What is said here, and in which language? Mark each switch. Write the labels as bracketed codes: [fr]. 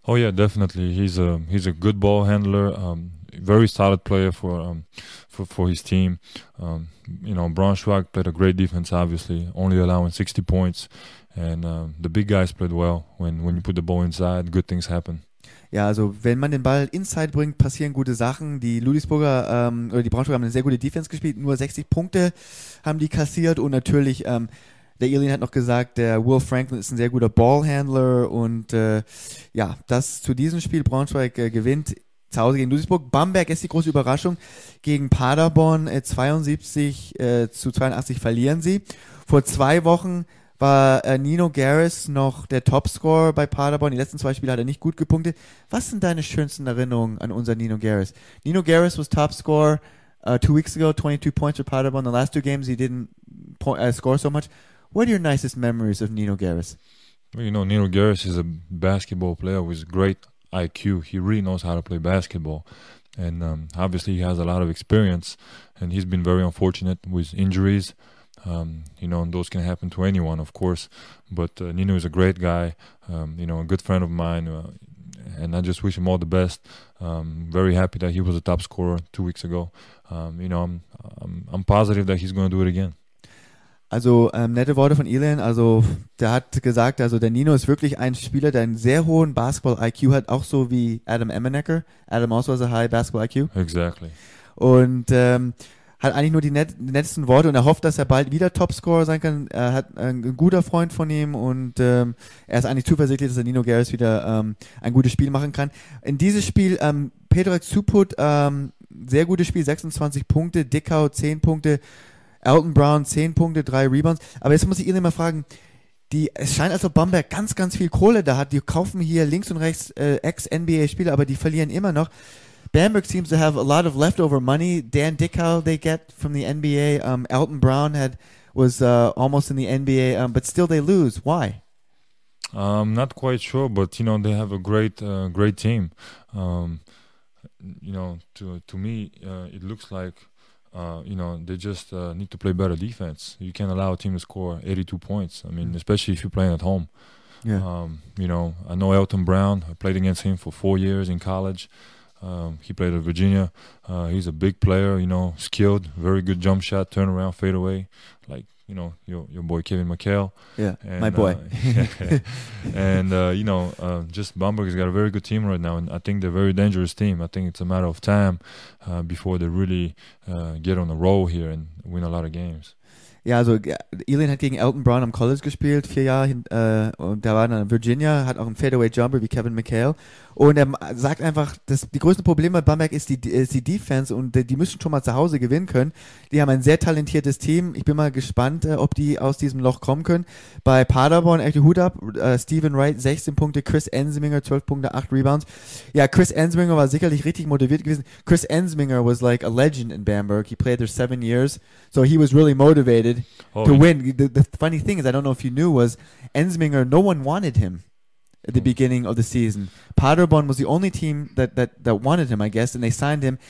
[en] Oh, yeah, definitely. He's a good ball handler, very solid player for his team. You know, Braunschweig played a great defense, obviously, only allowing 60 points. And the big guys played well. When you put the ball inside, good things happen. [de] Ja, also wenn man den Ball inside bringt, passieren gute Sachen. Die Ludwigsburger oder die Braunschweiger haben eine sehr gute Defense gespielt. Nur 60 Punkte haben die kassiert. Und natürlich, der Ilian hat noch gesagt, der Will Franklin ist ein sehr guter Ballhandler. Und ja, das zu diesem Spiel. Braunschweig gewinnt zu Hause gegen Ludwigsburg. Bamberg ist die große Überraschung gegen Paderborn. 72 zu 82 verlieren sie. Vor 2 Wochen war Nino Garris noch der Topscorer bei Paderborn. Die letzten 2 Spiele hat er nicht gut gepunktet. Was sind deine schönsten Erinnerungen an unser Nino Garris? [en] Nino Garris was Topscorer 2 weeks ago, 22 points for Paderborn. The last 2 games he didn't score so much. What are your nicest memories of Nino Garris? Well, you know, Nino Garris is a basketball player with great IQ. He really knows how to play basketball. And obviously he has a lot of experience. And he's been very unfortunate with injuries. You know, and those can happen to anyone, of course, but Nino is a great guy, you know, a good friend of mine, and I just wish him all the best. Very happy that he was a top scorer 2 weeks ago. You know, I'm positive that he's going to do it again. [de] Also, nette Worte von Ilian. Also, der hat gesagt, also der Nino ist wirklich ein Spieler, der einen sehr hohen Basketball-IQ hat, auch so wie Adam Emenecker. [en] Adam also has a high basketball IQ. Exactly. [de] Und hat eigentlich nur die letzten Worte und er hofft, dass er bald wieder Topscorer sein kann. Er hat ein guter Freund von ihm und er ist eigentlich zuversichtlich, dass er Nino Garris wieder ein gutes Spiel machen kann. In dieses Spiel, Petrek Cuput, sehr gutes Spiel, 26 Punkte, Dickau 10 Punkte, Elton Brown 10 Punkte, 3 Rebounds. Aber jetzt muss ich ihn mal fragen, es scheint, als ob Bamberg ganz, ganz viel Kohle da hat. Die kaufen hier links und rechts Ex-NBA-Spieler, aber die verlieren immer noch. [en] Bamberg seems to have a lot of leftover money. Dan Dickow they get from the NBA. Elton Brown was almost in the NBA, but still they lose. Why? I'm not quite sure, but you know they have a great great team. You know, to me, it looks like you know they just need to play better defense. You can't allow a team to score 82 points. I mean, especially if you're playing at home. Yeah. You know, I know Elton Brown. I played against him for 4 years in college. He played at Virginia. He's a big player, you know, skilled, very good jump shot, turnaround, fadeaway, like, you know, your boy Kevin McHale. Yeah, and, my boy. And, you know, just Bamberg has got a very good team right now, and I think they're a very dangerous team. I think it's a matter of time before they really get on a roll here and win a lot of games. [de] Ja, also Ilian hat gegen Elton Brown am College gespielt, 4 Jahre, und der war dann in Virginia, hat auch einen Fadeaway-Jumper wie Kevin McHale. Und er sagt einfach, dass die größten Probleme bei Bamberg ist die Defense und die müssen schon mal zu Hause gewinnen können. Die haben ein sehr talentiertes Team. Ich bin mal gespannt, ob die aus diesem Loch kommen können. Bei Paderborn, echte Hut ab, Steven Wright 16 Punkte, Chris Ensminger 12 Punkte, 8 Rebounds. Ja, Chris Ensminger war sicherlich richtig motiviert gewesen. [en] Chris Ensminger was like a legend in Bamberg. He played there 7 years, so he was really motivated to win. The funny thing is, I don't know if you knew, was Ensminger, no one wanted him at the beginning of the season. Paderborn was the only team that wanted him, I guess, and they signed him.